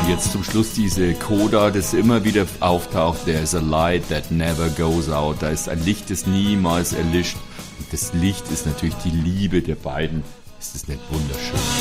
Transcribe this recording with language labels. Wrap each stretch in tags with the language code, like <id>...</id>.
<de>Zum Schluss diese Coda, das immer wieder auftaucht.</de> <en>There's a light that never goes out.</en> <de>Da ist ein Licht, das niemals erlischt. Und das Licht ist natürlich die Liebe der beiden. Ist das nicht wunderschön?</de>